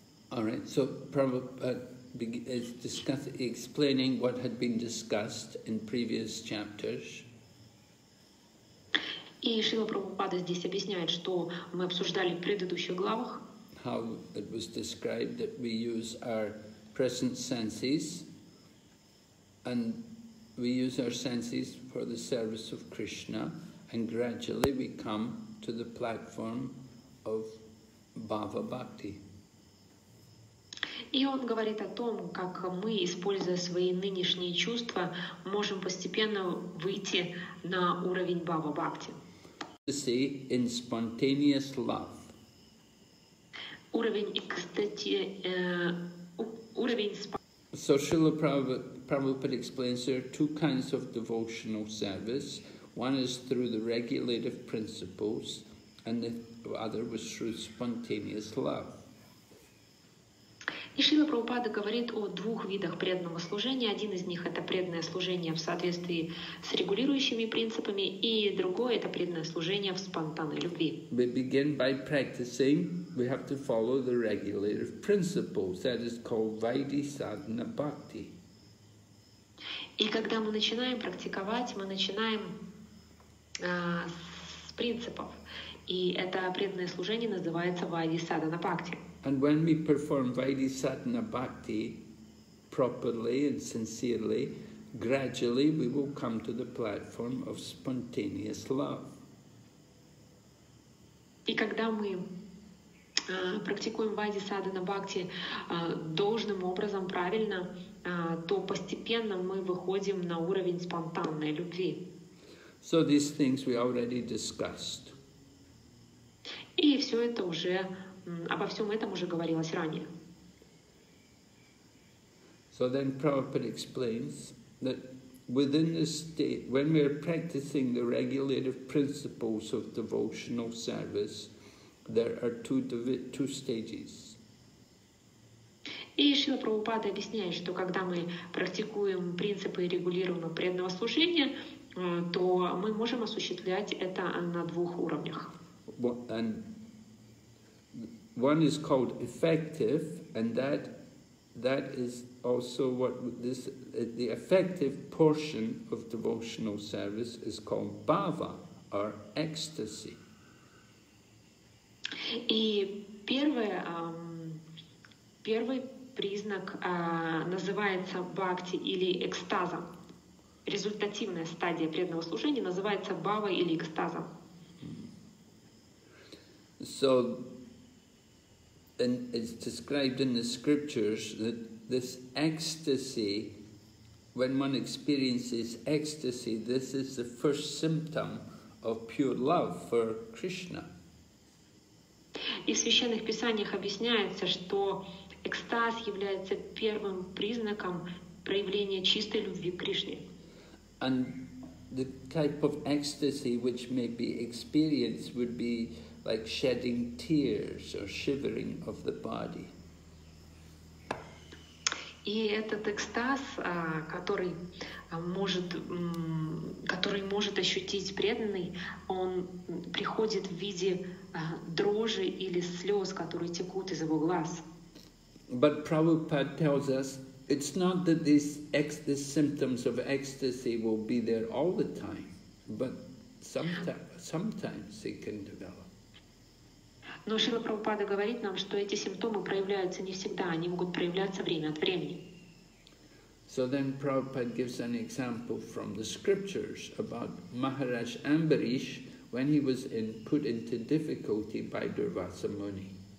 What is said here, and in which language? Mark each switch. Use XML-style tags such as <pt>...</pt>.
<en>All right, so Prabhupada is explaining what had been discussed in previous chapters.</en> <ru>И Шрила Прабхупада здесь объясняет, что мы обсуждали в предыдущих главах.</ru> <en>How it was described that we use our present senses And we use our senses for the service of Krishna, and gradually we come to the platform of Bhava Bhakti.</en> <ru>И он говорит о том, как мы, используя свои нынешние чувства, можем постепенно выйти на уровень Бхава Бхакти.</ru> <en>To see in spontaneous love. So Srila Prabhupada explains there are two kinds of devotional service. One is through the regulative principles, and the other was through spontaneous love.</en> <ru>И Шрила Прабхупада говорит о двух видах преданного служения. Один из них — это преданное служение в соответствии с регулирующими принципами, и другое — это преданное служение в спонтанной любви.</ru> <en>We begin by practicing, we have to follow the regulative principles, that is called Vaidhi Sadhana Bhakti.</en> <ru>И когда мы начинаем практиковать, мы начинаем с принципов. И это преданное служение называется Vaidhi Sadhana Bhakti.</ru> <en>And when we perform Vaidhi Sadhana Bhakti properly and sincerely, gradually we will come to the platform of spontaneous love.</en> <ru>И когда мы практикуем Vaidhi Sadhana Bhakti должным образом, правильно, то постепенно мы выходим на уровень спонтанной любви.</ru> <en>So these things we already discussed.</en> <ru>И все это уже обо всем этом уже говорилось ранее.</ru> <en>So then Prabhupada explains that within the state, when we are practicing the regulative principles of devotional service, there are two stages.</en> <ru>И Шрила Прабхупада объясняет, что когда мы практикуем принципы регулируемого преданного служения, то мы можем осуществлять это на двух уровнях.</ru> <en>One is called effective, and that is also what this, the effective portion of devotional service is called bhava, or ecstasy.</en> <ru>И первый признак называется бхакти или экстаза. Результативная стадия преданного служения называется бхава или экстаза.</ru> <en>So, and it's described in the scriptures that this ecstasy, when one experiences ecstasy, this is the first symptom of pure love for Krishna.</en> <ru>И в священных писаниях объясняется, что экстаз является первым признаком проявления чистой любви к Кришне.</ru> <en>And the type of ecstasy which may be experienced would be like shedding tears or shivering of the body.</en> <ru>И этот экстаз, который может ощутить преданный, он приходит в виде дрожи или слез, которые текут из его глаз.</ru> <en>But Prabhupada tells us it's not that these symptoms of ecstasy will be there all the time, but sometimes it can develop.</en> <ru>Но Шрила Прабхупада говорит нам, что эти симптомы проявляются не всегда, они могут проявляться время от времени.</ru> <en>So then Prabhupada gives an example from the scriptures about Maharaj Ambarish when he was put into difficulty by Durvasa Muni.</en>